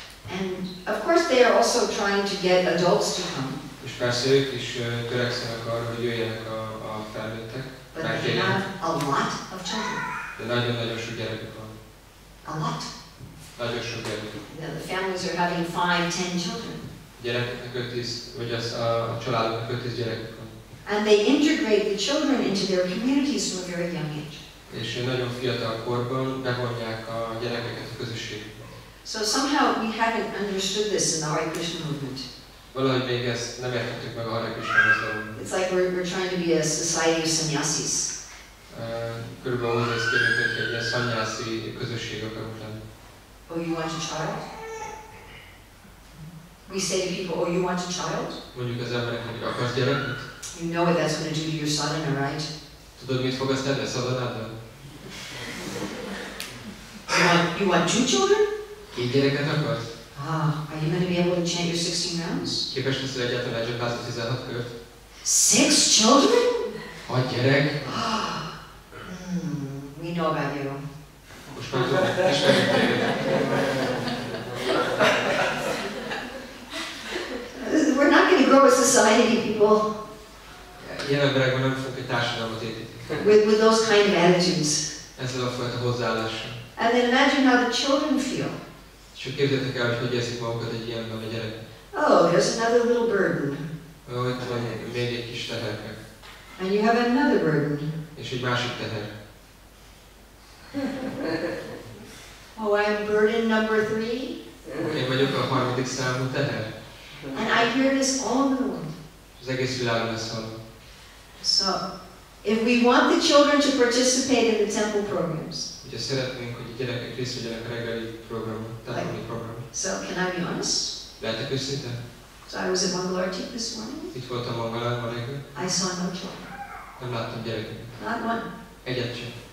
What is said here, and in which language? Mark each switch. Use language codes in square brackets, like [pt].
[en] And of course they are also trying to get adults to come. [hu] És persze ők is törekszenek arra, hogy jöjjenek a felnőttek. [en] But they have a lot of children. [hu] De nagyon-nagyon sok gyerekük van. [en] A lot. [hu] Nagyon sok gyerekük. [en] The families are having 5-10 children. [hu] Gyerekeknek 5-10, vagy az a családoknak 5-10 gyerekük van. [en] And they integrate the children into their communities from a very young age. [hu] És nagyon fiatal korban bevonják a gyerekeket a közösségbe. [en] So somehow we haven't understood this in the Hare Krishna movement. [hu] Valahogy még ezt nem értettük meg a Hare Krishna mozgalomban. [en] It's like we're trying to be a society of sannyasis. [hu] Körülbelül úgy néz ki, mint egy ilyen szanyászi közösség akarunk lenni. [en] Oh, you want a child? We say to people, oh, you want a child? [hu] Mondjuk az emberek, hogy akarsz gyereket? [en] You know what that's going to do to your sadhana, right? [hu] Tudod, mit fog ezt tenni a szadhanában? [en] You want two children? [hu] Két gyereket akarsz? [en] Ah, are you going to be able to chant your 16 rounds? [hu] Képes lesz egyáltalán egy zsebázni 16 kört? [en] Six children? [hu] A gyerek? [en] We know about you. [hu] Most már tudom, ismerjük. [en] We're not going to grow a society, people. [hu] Ilyen emberekben nem fogunk egy társadalmat építeni. [en] With those kind of attitudes. [hu] Ezzel a fajta hozzáállással. [en] And then imagine how the children feel. [hu] És hogy képzeltek el, hogy érzik magukat egy ilyenben a gyerek. [en] Oh, there's another little burden. [hu] Oh, itt van még egy kis teherke. [en] And you have another burden. [hu] És egy másik teher. [en] Oh, I'm burden number three. [hu] Én vagyok a harmadik számú teher. [en] And I hear this all the world. [hu] az egész világban szól. [en] So, if we want the children to participate in the temple programs. [hu] Ugye szeretnénk, hogy a gyerekek részt vegyenek a reggeli program, templomi program. [en] So, can I be honest? [hu] Lehetek őszinte? [en] So I was at Mangalarti this morning. [hu] Itt voltam Mangalán ma reggel. [en] I saw no children. [hu] Nem láttam gyereket. [en] Not one. [hu] Egyet sem.